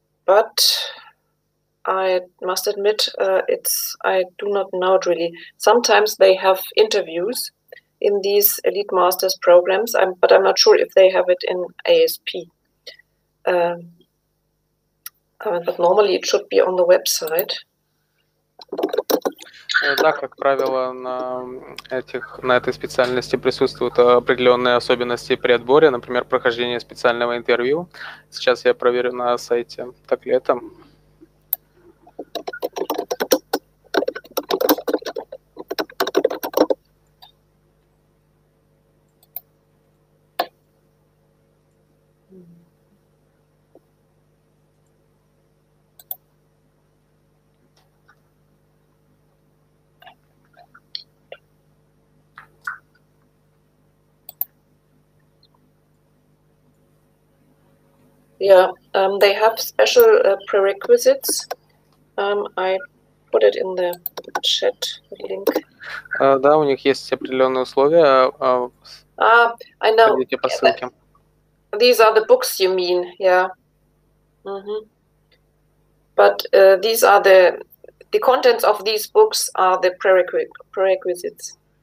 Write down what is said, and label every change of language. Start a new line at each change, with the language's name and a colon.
English: But I must admit, I do not know it really. Sometimes they have interviews in these elite master's programs, but I'm not sure if they have it in ASP. But normally it should be on the website.
Russian: Да, как правило, на этой специальности присутствуют определенные особенности при отборе, например, прохождение специального интервью. Сейчас я проверю на сайте, так ли это.
English: Yeah, they have special prerequisites. I put it in the chat link.
Russian: Да, у них есть определенные условия.
English: I know.
Russian: Пойдите по ссылке.
English: Yeah, these are the books you mean, yeah. Mm-hmm. But these are the contents of these books are the prerequisites.